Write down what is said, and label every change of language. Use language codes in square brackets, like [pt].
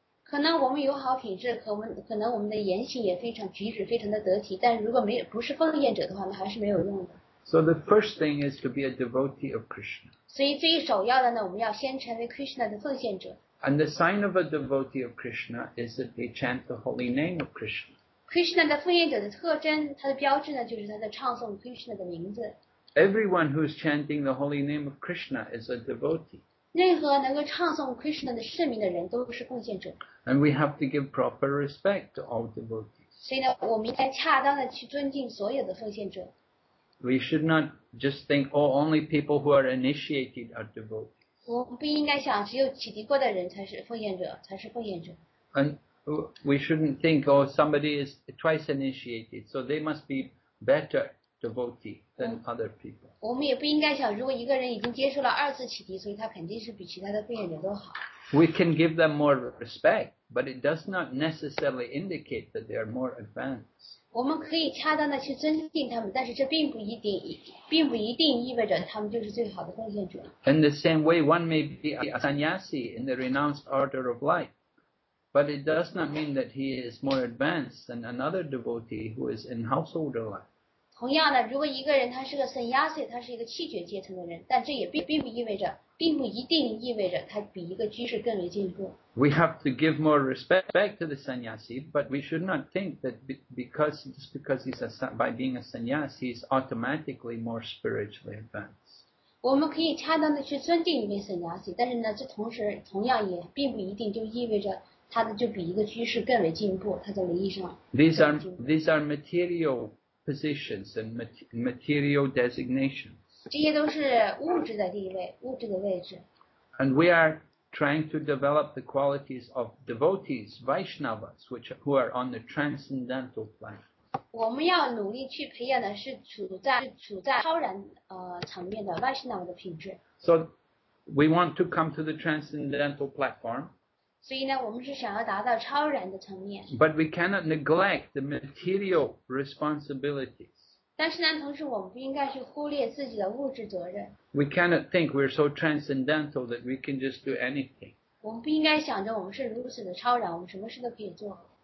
[zh] 可能我们有好品质，可能我们的言行也非常举止非常的得体，但如果不是奉献者的话，那还是没有用的。 [en] So the first thing is to be a devotee of Krishna. [zh] 所以最首要的呢，我们要先成为 Krishna 的奉献者。 [en] And the sign of a devotee of Krishna is that they chant the holy name of Krishna. [zh] Krishna 的奉献者的特征，它的标志呢，就是他在唱诵 Krishna 的名字。 [en] Everyone who is chanting the holy name of Krishna is a devotee. [zh] 任何能够唱诵 Krishna 的圣名的人都是奉献者。 [en] And we have to give proper respect to all devotees. [zh] 所以呢，我们应该恰当的去尊敬所有的奉献者。 [en] We should not just think, oh, only people who are initiated are devotees. [zh] 我们不应该想只有启迪过的人才是奉献者。 [en] And we shouldn't think, oh, somebody is twice initiated, so they must be better devotee than other people. [zh] 我们也不应该想，如果一个人已经接受了二次启迪，所以他肯定是比其他的奉献者都好。 [en] We can give them more respect, but it does not necessarily indicate that they are more advanced. [zh] 我们可以恰当的去尊敬他们，但是这并不一定意味着他们就是最好的奉献者。 [en] In the same way, one may be a sannyasi in the renounced order of life, but it does not mean that he is more advanced than another devotee who is in householder life. [zh] 同样的，如果一个人他是个 sannyasi，他是一个弃绝阶层的人，但这也并不意味着并不一定意味着他比一个居士更为进步。 [en] We have to give more respect to the sannyasi, but we should not think that because just because he's a by being a sannyasi, he's automatically more spiritually advanced. [zh] 我们可以恰当的去尊敬一位 sannyasi, 但是呢，这同时同样也并不一定就意味着他的就比一个居士更为进步，他在灵义上。 [en] These are material positions and material designations. [zh] 这些都是物质的地位，物质的位置。 [en] And we are. Trying to develop the qualities of devotees, Vaishnavas, who are on the transcendental plane. [zh] 我们要努力去培养的是处在超然层面的 Vaishnava 的品质。 [en] So we want to come to the transcendental platform. [zh] 所以呢，我们是想要达到超然的层面。 [en] But we cannot neglect the material responsibilities. [zh] 但是呢，同时我们不应该去忽略自己的物质责任。 [en] We cannot think we're so transcendental that we can just do anything. [zh] 我们不应该想着我们是如此的超然，我们什么事都可以做。